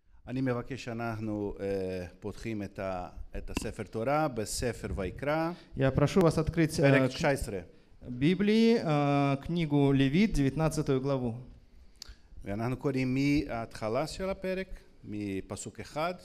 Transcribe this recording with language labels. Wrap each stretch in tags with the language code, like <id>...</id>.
<he>אני מבקש שאנחנו פותחים את את הספר תורה בספר ויקרא.</he> <ru>Я прошу вас открыть Библии книгу Левит, 19 главу.</ru> <he>ואנחנו קוראים מההתחלה של הפרק, מפסוק אחד.</he>